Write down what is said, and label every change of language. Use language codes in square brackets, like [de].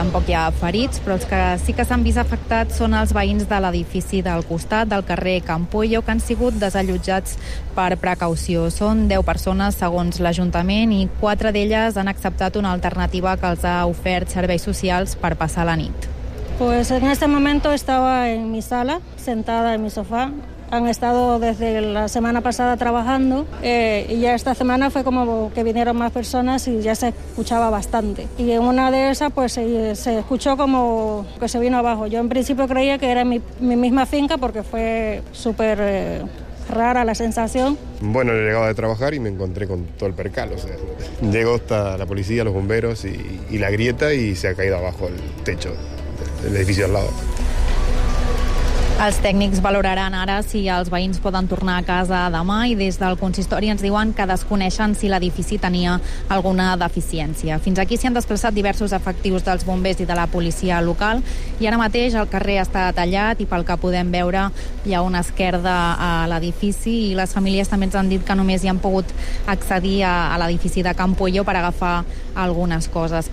[ca] Tampoc hi ha ferits, però els que sí que s'han vist afectats són els veïns de l'edifici del costat, del carrer Campuello, que han sigut desallotjats per precaució. Són 10 persones, segons l'Ajuntament, i 4 d'elles han acceptat una alternativa que els ha ofert serveis socials per passar la nit. [es] Pues en este momento estaba en mi sala, sentada en mi sofá. Han estado desde la semana pasada trabajando y ya esta semana fue como que vinieron más personas y ya se escuchaba bastante. Y en una de esas pues se escuchó como que se vino abajo. Yo en principio creía que era mi misma finca porque fue súper rara la sensación. Bueno, yo llegaba de trabajar y me encontré con todo el percal. O sea, llegó hasta la policía, los bomberos y la grieta y se ha caído abajo el techo del edificio al lado. [ca] Els tècnics valoraran ara si els veïns poden tornar a casa demà i des del consistori ens diuen que desconeixen si l'edifici tenia alguna deficiència. Fins aquí s'hi han desplaçat diversos efectius dels bombers i de la policia local i ara mateix el carrer està tallat i pel que podem veure hi ha una esquerda a l'edifici i les famílies també ens han dit que només hi han pogut accedir a l'edifici de Campuello per agafar algunes coses.